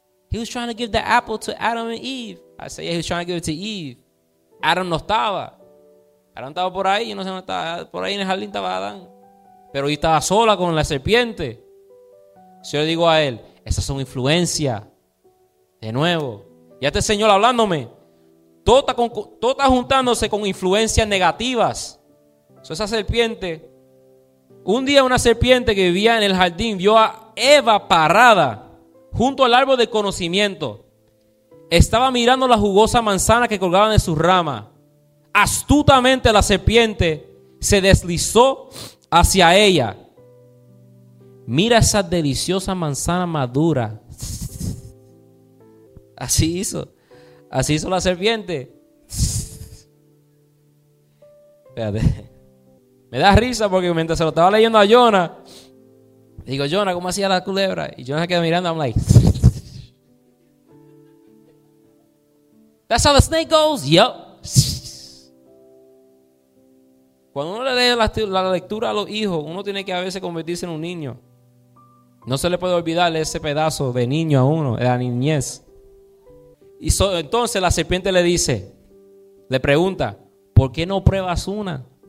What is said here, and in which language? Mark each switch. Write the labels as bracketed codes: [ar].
[en] He was trying to give the apple to Adam and Eve. I said, yeah, he was trying to give it to Eve. [es] Adam no estaba. Adam estaba por ahí, yo no sé dónde estaba. Por ahí en el jardín estaba Adam. Pero hoy estaba sola con la serpiente. Yo le digo a él, esas son influencias. De nuevo. Ya este Señor hablándome. Todo está juntándose con influencias negativas. [en] So, [es] esa serpiente. Un día una serpiente que vivía en el jardín vio a Eva parada junto al árbol del conocimiento. Estaba mirando la jugosa manzana que colgaba de sus ramas. Astutamente la serpiente se deslizó hacia ella. Mira esa deliciosa manzana madura. Así hizo. Así hizo la serpiente. Espérate. Me da risa porque mientras se lo estaba leyendo a Jonah, digo, Jonah, ¿cómo hacía la culebra? Y Jonah queda mirando, [en] I'm like, that's how the snake goes, yep. [es] Cuando uno le lee la lectura a los hijos, uno tiene que a veces convertirse en un niño. No se le puede olvidar ese pedazo de niño a uno, de la niñez. Y entonces la serpiente le dice, le pregunta, ¿por qué no pruebas una?